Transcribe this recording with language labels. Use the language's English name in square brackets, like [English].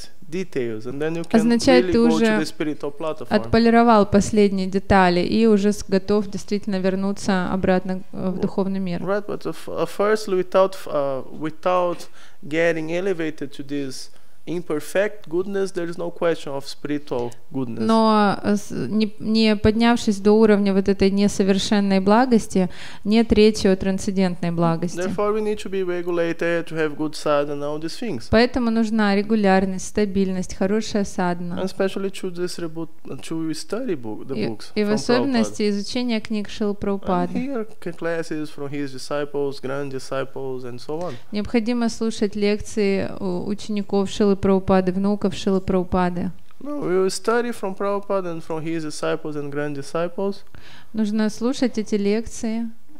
[Russian] Означает, ты уже отполировал последние детали и уже готов действительно вернуться обратно в духовный мир. [English] Right, but firstly, without getting elevated to this imperfect goodness, there is no question of spiritual goodness. [Russian] Но не поднявшись до уровня вот этой несовершенной благости, нет речи о трансцендентной благости. [English] Therefore, we need to be regulated to have good sadhana and all these things. [Russian] Поэтому нужна регулярность, стабильность, хорошая садхана. [English] And especially through this books. [Russian] И в особенности изучение книг Шрилы Прабхупады. [English] And here classes from his disciples, grand disciples, and so on. [Russian] Необходимо слушать лекции учеников Шрилы Прабхупады, внуков Шрилы Прабхупады. [English] No, we will study from Prabhupada and from his disciples and grand disciples. [Russian] Нужно слушать эти лекции.